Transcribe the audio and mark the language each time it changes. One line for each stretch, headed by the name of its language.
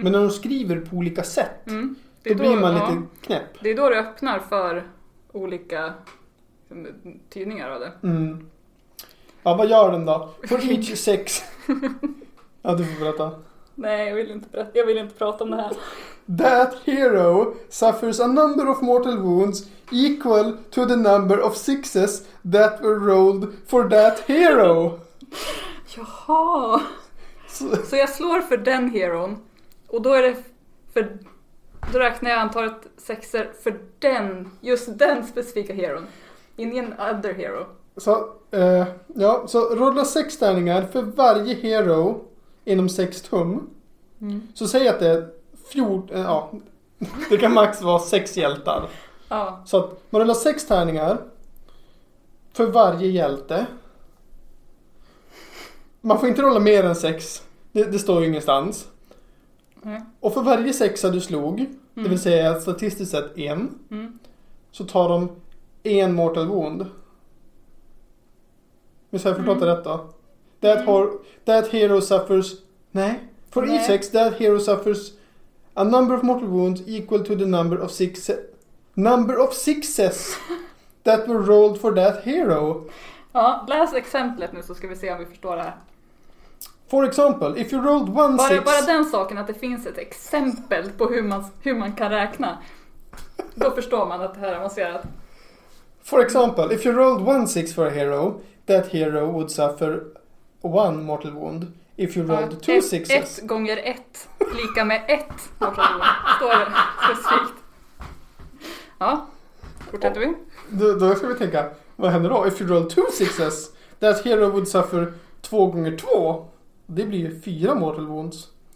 Swedish: Men när de skriver på olika sätt, då blir man lite knäpp. Det är då det öppnar för olika tydningar av det. Mm. Ja, vad gör den då? För Reach 6. Ja, du får berätta. Nej, jag vill inte berätta. Jag vill inte prata om det här.
English: That hero suffers a number of mortal wounds equal to the number of sixes that were rolled for that hero.
Swedish: Jaha. Så jag slår för den heron. Och då är det för... Då räknar jag antalet sexer för den, just den specifika heron. Ingen other hero. Så, ja, så rulla sex tärningar för varje hero inom sex tum. Mm. Så säg att det är 14, ja, det kan max vara sex hjältar. Ja. Så att man rullar sex tärningar för varje hjälte. Man får inte rulla mer än sex, det står ju ingenstans. Mm. Och för varje sexa du slog, det vill säga statistiskt sett en, så tar de en mortal wound. Men så har jag förstått det rätt då.
English: That hero suffers...
Swedish: Nej.
English: For each sex, that hero suffers a number of mortal wounds equal to the number of six... Number of sixes that were rolled for that hero.
Swedish: Ja, läs exemplet nu så ska vi se om vi förstår det här.
English: For example, if you rolled one
Swedish: bara,
English: six...
Swedish: Bara den saken att det finns ett exempel på hur man kan räkna. Då förstår man att det här är avancerat.
English: For example, if you rolled one six for a hero... That hero would suffer one mortal wound if you rolled two sixes.
Swedish: Ett gånger ett lika med ett mortal wound. Står det specifikt. Ja, fortsätter vi. Då ska vi tänka, vad händer då?
English: If you roll two sixes, that hero would suffer
Swedish: två gånger två. Det blir ju fyra mortal wounds.